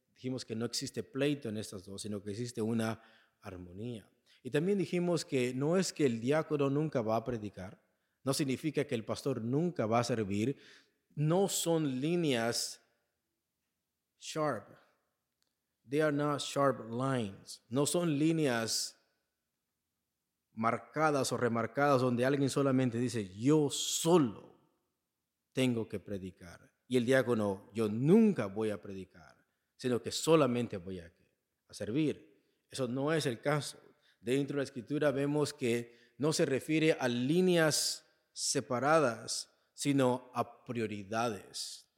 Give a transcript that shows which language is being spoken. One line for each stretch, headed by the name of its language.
Spanish: Dijimos que no existe pleito en estas dos, sino que existe una armonía. Y también dijimos que no es que el diácono nunca va a predicar, no significa que el pastor nunca va a servir, no son líneas sharp.
English: They are not sharp lines.
Spanish: No son líneas marcadas o remarcadas donde alguien solamente dice: yo solo tengo que predicar, y el diácono: yo nunca voy a predicar, sino que solamente voy a servir. Eso no es el caso. Dentro de la Escritura vemos que no se refiere a líneas separadas, sino a prioridades.